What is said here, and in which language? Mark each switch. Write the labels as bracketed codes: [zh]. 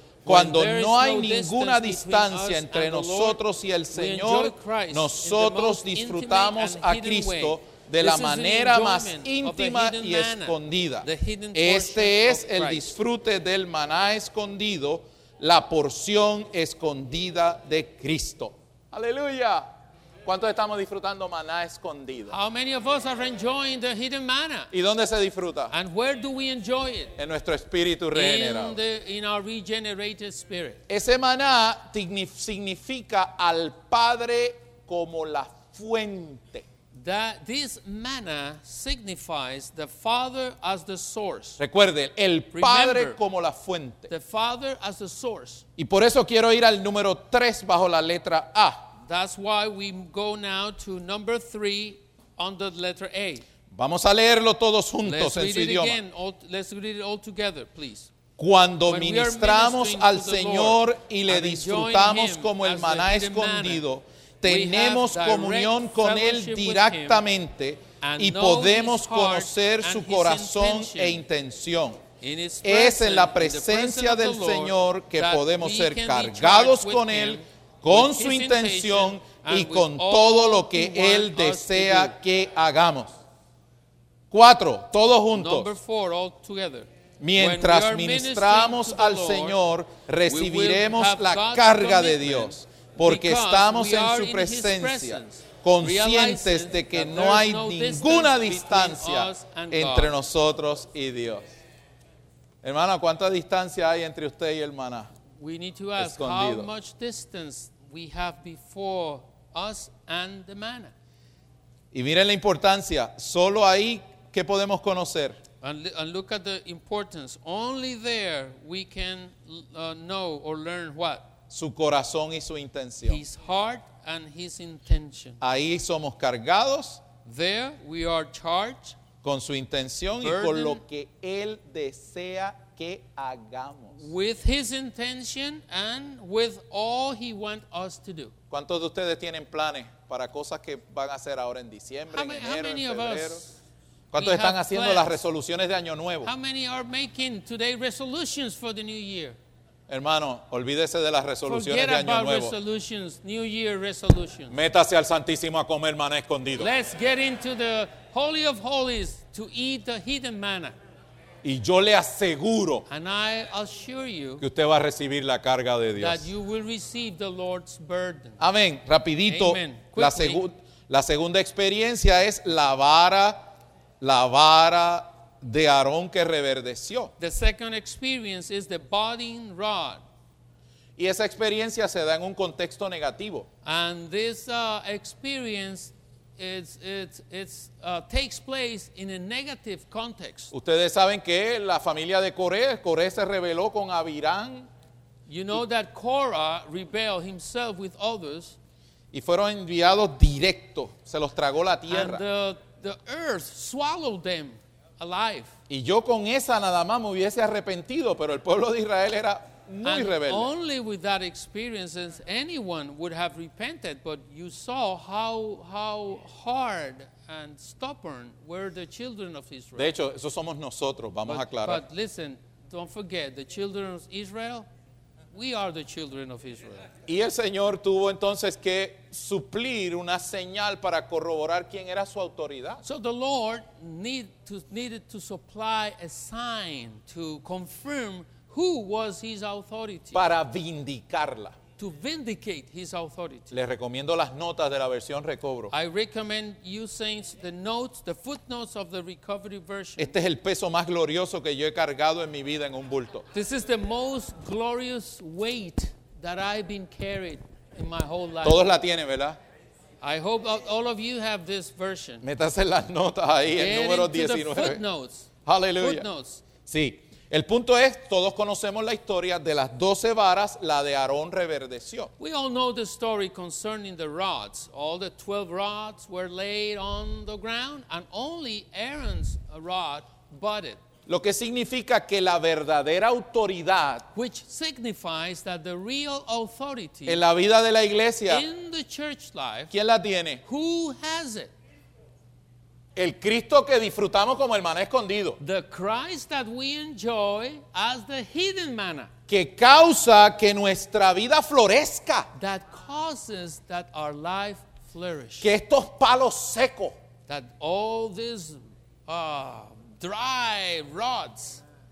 [es] Cuando no hay ninguna distancia entre nosotros y el Señor, nosotros disfrutamos a Cristo de la manera más íntima y escondida. Este es el disfrute del maná escondido, la porción escondida de Cristo. ¡Aleluya! ¿Cuántos estamos disfrutando maná escondido? [en] How many of us are enjoying the hidden manna? [es] ¿Y dónde se disfruta? [en] And where do we enjoy it? [es] En nuestro espíritu regenerado. [en] In our regenerated spirit. [es] Ese maná significa al Padre como la fuente. [en] That this manna signifies the Father as the source. [es] Recuerde, el Padre como la fuente. [en] The Father as the source. [es] Y por eso quiero ir al número 3 bajo la letra A. [en] That's why we go now to number 3 under the letter A. [es] Vamos a leerlo todos juntos en su idioma. [en] Let's read it again. Let's read it all together, please. [es] Cuando ministramos al Señor y le disfrutamos como el maná escondido, tenemos comunión con Él directamente y podemos conocer su corazón e intención. Es en la presencia del Señor que podemos ser cargados con Él, con su intención y con todo lo que Él desea que hagamos. 4, todos juntos. Mientras ministramos al Señor, recibiremos la carga de Dios. Porque estamos en su presencia, conscientes de que no hay ninguna distancia entre nosotros y Dios. Hermana, ¿cuánta distancia hay entre usted y el maná? [en] We need to ask how much distance we have before us and the maná. [es] Y miren la importancia, solo ahí que podemos conocer. [en] And look at the importance, only there we can know or learn what? [es] Su corazón y su intención. [en] His heart and his intention. [es] Ahí somos cargados. [en] There we are charged. [es] Con su intención y con lo que Él desea que hagamos. [en] With his intention and with all he wants us to do. [es] ¿Cuántos de ustedes tienen planes para cosas que van a hacer ahora en diciembre, en enero, en febrero? [en] How many of us? [es] ¿Cuántos están haciendo las resoluciones de Año Nuevo? [en] How many are making today resolutions for the new year? [es] Hermano, olvídese de las resoluciones [en] Forget [es] de Año [en] about [es] Nuevo. [en] Resolutions, New Year resolutions. [es] Métase al Santísimo a comer maná escondido. [en] Let's get into the Holy of Holies to eat the hidden manna. [es] Y yo le aseguro [en] And I assure you [es] que usted va a recibir la carga de Dios. [en] That you will receive the Lord's burden. [es] Amén. Rapidito. [en] Amen. [es] La segunda experiencia es la vara de Aarón que reverdeció. [en] The second experience is the budding rod. [es] Y esa experiencia se da en un contexto negativo. [en] And this experience takes place in a negative context. [es] Ustedes saben que la familia de Coré se rebeló con Abirán. [en] You know that Korah rebelled himself with others. [es] Y fueron enviados directo, se los tragó la tierra. [en] And the earth swallowed them alive. [es] Y yo con esa nada más me hubiese arrepentido, pero el pueblo de Israel era muy rebelde. [en] And only with that experience anyone would have repented, but you saw how hard and stubborn were the children of Israel. [es] De hecho, eso somos nosotros, vamos a aclarar. [en] But listen, don't forget, the children of Israel, we are the children of Israel. [es] Y el Señor tuvo entonces que suplir una señal para corroborar quién era su autoridad. [en] So the Lord needed to supply a sign to confirm who was his authority. [es] Para vindicarla. [en] To vindicate his authority. [es] Le recomiendo las notas de la versión Recobro. [en] I recommend you saints the notes, the footnotes of the Recovery version. [es] Este es el peso más glorioso que yo he cargado en mi vida en un bulto. [en] This is the most glorious weight that I've been carried in my whole life. [es] Todos la tienen, ¿verdad? [en] I hope all of you have this version. [es] Métase las notas ahí, [en] Get [es] el número 19. [en] The footnotes. Hallelujah. Footnotes. [es] Sí. El punto es, todos conocemos la historia de las 12 varas, la de Aarón reverdeció. [en] We all know the story concerning the rods. All the 12 rods were laid on the ground and only Aaron's rod budded. [es] Lo que significa que la verdadera autoridad [en] Which signifies that the real authority [es] en la vida de la iglesia [en] in the church life, [es] ¿quién la tiene? [en] Who has it? [es] El Cristo que disfrutamos como el maná escondido. [en] The Christ that we enjoy as the hidden manna. [es] Que causa que nuestra vida florezca. [en] That causes that our life flourishes. [es] Que estos palos secos. [en] That all these dry rods.